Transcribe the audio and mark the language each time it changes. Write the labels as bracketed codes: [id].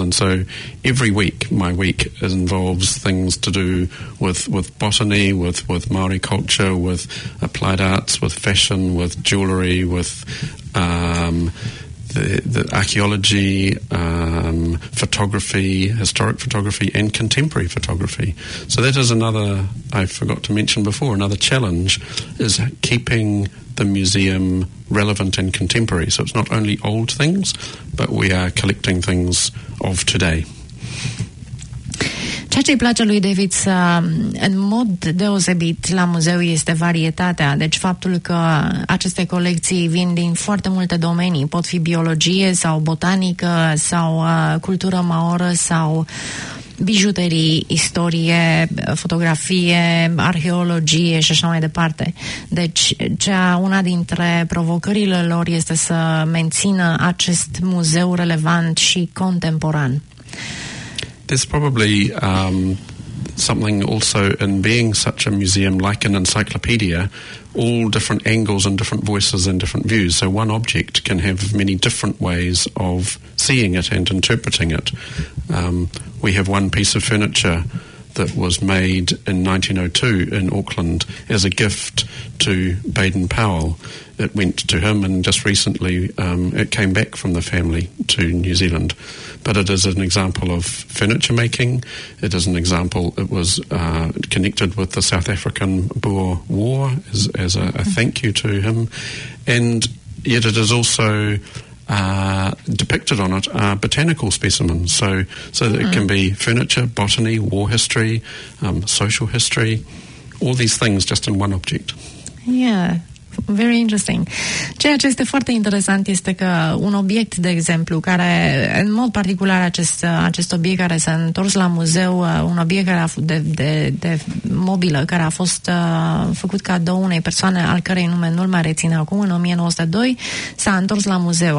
[en] And so every week, my week involves things to do with botany, with Maori culture, with applied arts, with fashion, with jewellery, with the archaeology, photography, historic photography, and contemporary photography. So that is another, I forgot to mention before, another challenge is keeping the museum relevant and contemporary. So it's not only old things, but we are collecting things of today. [ro] Ceea ce îi place lui David în mod deosebit la muzeu este varietatea, deci faptul că aceste colecții vin din foarte multe domenii, pot fi biologie sau botanică sau cultură maoră sau bijuterii, istorie, fotografie, arheologie și așa mai departe. Deci, una dintre provocările lor este să mențină acest muzeu relevant și contemporan. [en] There's probably something also in being such a museum, like an encyclopedia, all different angles and different voices and different views. So one object can have many different ways of seeing it and interpreting it. We have one piece of furniture that was made in 1902 in Auckland as a gift to Baden Powell. It went to him, and just recently it came back from the family to New Zealand. But it is an example of furniture making. It is an example. It was connected with the South African Boer War as a thank you to him. And yet it is also depicted on it are botanical specimens. So that it can be furniture, botany, war history, social history, all these things just in one object. Yeah. Very interesting. [ro] Ceea ce este foarte interesant este că un obiect, de exemplu, care, în mod particular acest obiect care s-a întors la muzeu, un obiect care a fost de mobilă, care a fost făcut cadou unei persoane al cărei nume nu-l mai rețin acum, în 1902, s-a întors la muzeu.